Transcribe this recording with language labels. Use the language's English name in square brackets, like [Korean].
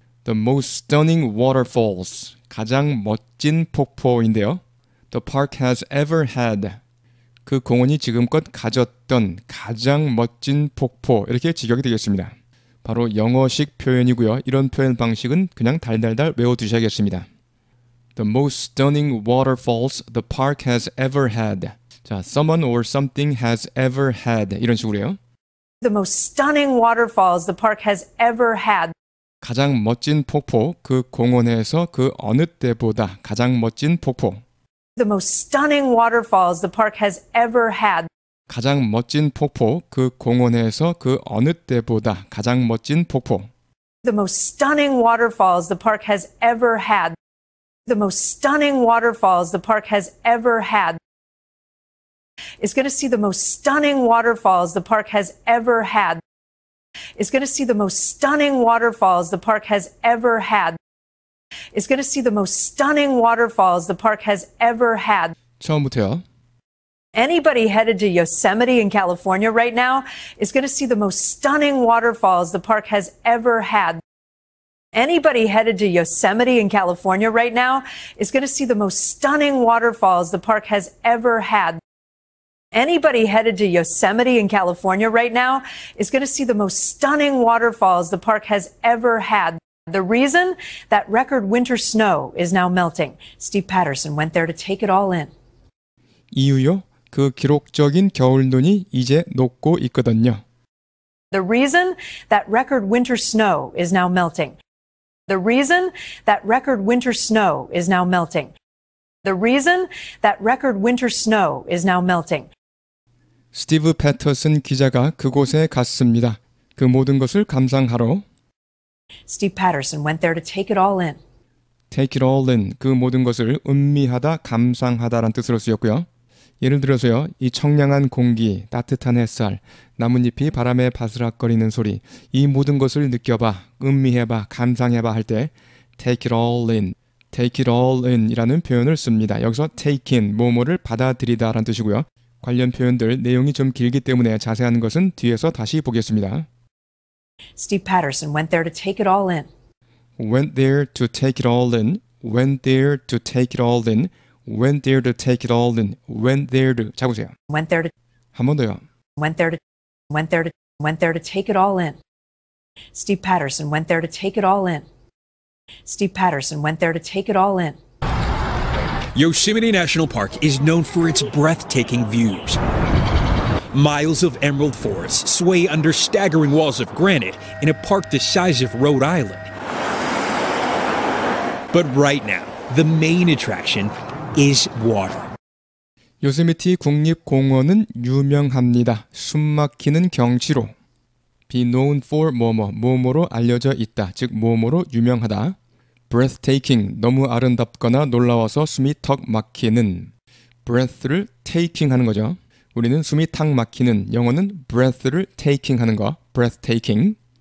[English] The most stunning waterfalls, [Korean] 가장 멋진 폭포인데요. [English] The park has ever had, [Korean] 그 공원이 지금껏 가졌던 가장 멋진 폭포, 이렇게 직역이 되겠습니다. 바로 영어식 표현이고요. 이런 표현 방식은 그냥 달달달 외워두셔야겠습니다. [English] The most stunning waterfalls the park has ever had. 자, someone or something has ever had. [Korean] 이런 식으로요. [English] The most stunning waterfalls the park has ever had. [Korean] 가장 멋진 폭포, 그 공원에서 그 어느 때보다 가장 멋진 폭포. [English] The most stunning waterfalls the park has ever had. [Korean] 가장 멋진 폭포, 그 공원에서 그 어느 때보다 가장 멋진 폭포. [English] The most stunning waterfalls the park has ever had. The most stunning waterfalls the park has ever had. It's going to see the most stunning waterfalls the park has ever had. It's going to see the most stunning waterfalls the park has ever had. It's going to see the most stunning waterfalls the park has ever had. [Korean] 처음부터요. [English] Anybody headed to Yosemite in California right now is going to see the most stunning waterfalls the park has ever had. Anybody headed to Yosemite in California right now is going to see the most stunning waterfalls the park has ever had. Anybody headed to Yosemite in California right now is going to see the most stunning waterfalls the park has ever had. The reason? That record winter snow is now melting. Steve Patterson went there to take it all in. [Korean] 이유요? 그 기록적인 겨울눈이 이제 녹고 있거든요. [English] The reason that record winter snow is now melting. The reason that record winter snow is now melting. The reason that record winter snow is now melting. [Korean] 스티브 패터슨 기자가 그곳에 갔습니다. 그 모든 것을 감상하러. [English] Steve Patterson went there to take it all in. Take it all in. [Korean] 그 모든 것을 음미하다, 감상하다라는 뜻으로 쓰였고요. 예를 들어서요, 이 청량한 공기, 따뜻한 햇살, 나뭇잎이 바람에 바스락거리는 소리, 이 모든 것을 느껴봐, 음미해봐, 감상해봐 할 때 [English] take it all in, take it all in [Korean] 이라는 표현을 씁니다. 여기서 take in, 뭐뭐를 받아들이다 라는 뜻이고요. 관련 표현들, 내용이 좀 길기 때문에 자세한 것은 뒤에서 다시 보겠습니다. [English] Steve Patterson went there to take it all in. Went there to take it all in, went there to take it all in. Went there to take it all in. Went there to. [Korean] 잡으세요. [English] Went there to. [Korean] 한 번 더요. [English] Went there to. Went there to. Went there to take it all in. Steve Patterson went there to take it all in. Steve Patterson went there to take it all in. Yosemite National Park is known for its breathtaking views. Miles of emerald forests sway under staggering walls of granite in a park the size of Rhode Island. But right now, the main attraction is water. [Korean] 요세미티 국립공원은 유명합니다. 숨막히는 경치로. [English] Be known for [Korean] 뭐뭐, 뭐뭐로 알려져 있다. 즉, 뭐뭐로 유명하다. Breathtaking, 너무 아름답거나 놀라워서 숨이 턱 막히는. Breath를 taking 하는 거죠. 우리는 숨이 턱 막히는, 영어는 breath를 taking 하는 거. Breathtaking.